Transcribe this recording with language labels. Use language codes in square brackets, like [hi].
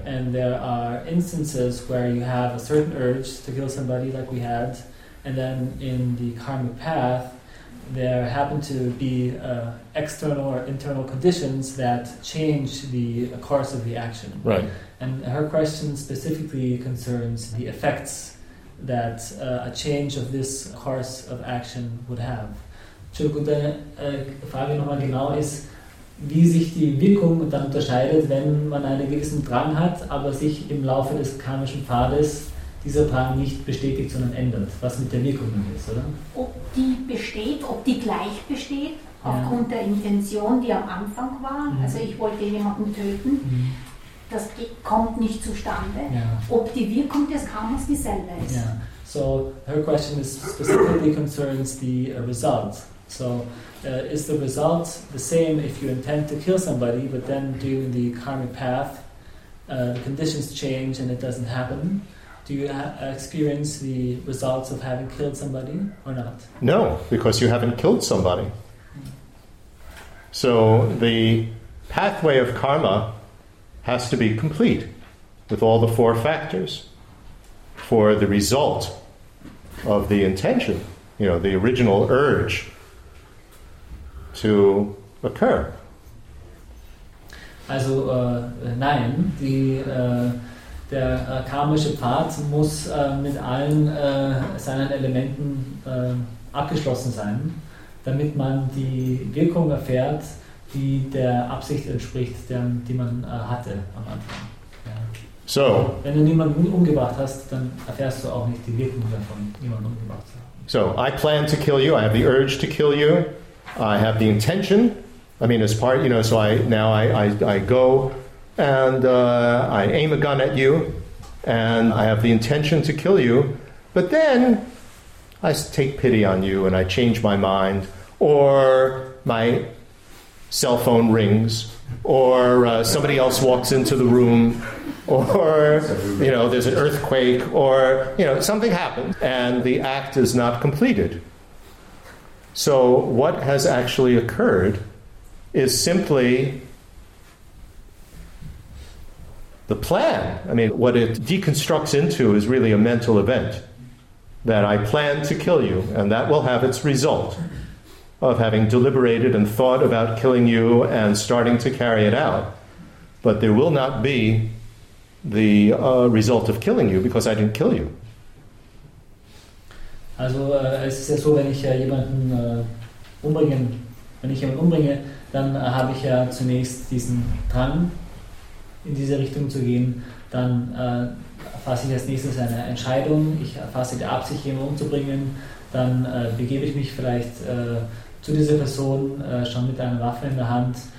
[en] And there are instances where you have a certain urge to kill somebody, like we had, and then in the karmic path, there happen to be external or internal conditions that change the course of the action. Right. And her question specifically concerns the effects that a change of this course of action would have. [de] Entschuldigung, Frage nochmal genau ist, wie sich die Wirkung dann unterscheidet, wenn man einen gewissen Drang hat, aber sich im Laufe des karmischen Pfades dieser Drang nicht bestätigt, sondern ändert. Was mit der Wirkung dann ist, oder? Ob die besteht, ob die gleich besteht, aufgrund der Intention, die am Anfang war, also ich wollte jemanden töten, das kommt nicht zustande, ob die Wirkung des Karmas dieselbe ist. [en] Yeah. So her question is specifically concerns the result. So is the result the same if you intend to kill somebody, but then during the karmic path, the conditions change and it doesn't happen? Do you experience the results of having killed somebody or not? No, because you haven't killed somebody. So the pathway of karma has to be complete with all the four factors for the result of the intention, you know, the original urge to occur. [de] Also, nein, der karmische Pfad muss mit allen seinen Elementen abgeschlossen sein, damit man die Wirkung erfährt, die der Absicht entspricht, die man hatte am Anfang. Ja. So, wenn du niemanden umgebracht hast, dann erfährst du auch nicht die Wirkung davon, niemanden umgebracht zu haben. [en] So, I plan to kill you. I have the urge to kill you. I have the intention. I mean, as part, you know, so I go and I aim a gun at you and I have the intention to kill you. But then I take pity on you and I change my mind, or my cell phone rings, or somebody else walks into the room, or, you know, there's an earthquake, or, you know, something happens and the act is not completed. So what has actually occurred is simply the plan. I mean, what it deconstructs into is really a mental event, that I plan to kill you, and that will have its result of having deliberated and thought about killing you and starting to carry it out. But there will not be the result of killing you, because I didn't kill you. [de] Also, es ist ja so, wenn ich jemanden umbringe, dann habe ich ja zunächst diesen Drang, in diese Richtung zu gehen. Dann fasse ich als nächstes eine Entscheidung. Ich fasse die Absicht, jemanden umzubringen. Dann begebe ich mich vielleicht zu dieser Person schon mit einer Waffe in der Hand.